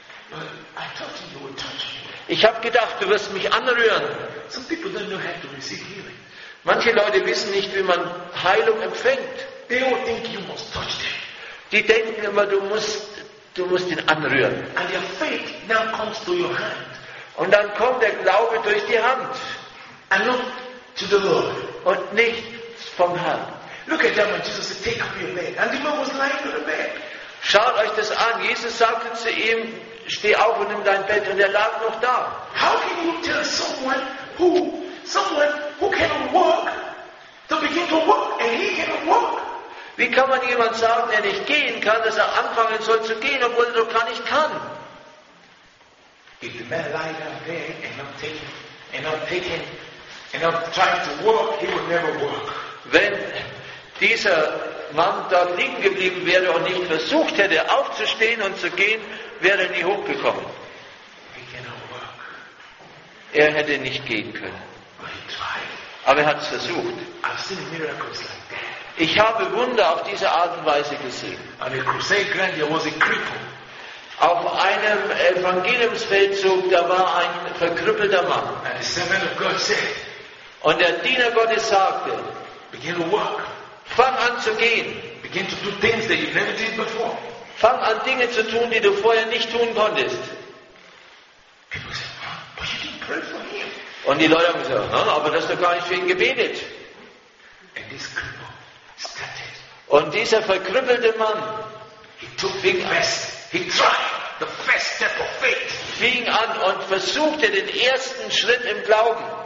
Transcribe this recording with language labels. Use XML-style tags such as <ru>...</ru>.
<en>But I thought you would touch me.</en> <de>Ich habe gedacht, du wirst mich anrühren.</de> <en>Some people don't know how to receive healing.</en> <de>Manche Leute wissen nicht, wie man Heilung empfängt.</de> <en>They don't think you must touch them.</en> <de>Die denken immer, du musst ihn anrühren.</de> <en>And your faith now comes to your hand.</en> <de>Und dann kommt der Glaube durch die Hand.</de> <en>And look to the Lord.</en> <de>Und nicht vom Herrn.</de> <en>Look at them, and Jesus said, take up your bed. And the man was lying on the bed.</en> <de>Schaut euch das an. Jesus sagte zu ihm, steh auf und nimm dein Bett. Und er lag noch da.</de> <en>How can you tell someone who cannot walk to begin to walk and he cannot walk?</en> <de>Wie kann man jemand sagen, der nicht gehen kann, dass er anfangen soll zu gehen, obwohl er noch gar nicht kann?</de> <en>If the man lying on the bed and not trying to walk, he would never walk.</en> <de>Wenn dieser Mann dort liegen geblieben wäre und nicht versucht hätte, aufzustehen und zu gehen, wäre er nie hochgekommen.</de> <en>He cannot walk.</en> <de>Er hätte nicht gehen können.</de> <en>But he tried.</en> <de>Aber er hat es versucht.</de> <en>I've seen miracles like that.</en> <de>Ich habe Wunder auf diese Art und Weise gesehen.</de> <en>On a crusade ground, there was a cripple.</en> <de>Auf einem Evangeliumsfeldzug, da war ein verkrüppelter Mann.</de> <en>And the servant of God said,</en> <de>und der Diener Gottes sagte,</de> <en>begin to walk.</en> <de>Fang an zu gehen.</de> <en>Begin to do things that you never did before.</en> <de>Fang an Dinge zu tun, die du vorher nicht tun konntest.</de> <en>People said, but you didn't pray for him.</en> <de>Und die Leute haben gesagt, aber das hast du gar nicht für ihn gebetet.</de> <en>And this cripple started.</en> <de>Und dieser verkrüppelte Mann,</de> <en>he took big fest. He tried the first step of faith.</en> <de>Fing an und versuchte den ersten Schritt im Glauben.</de>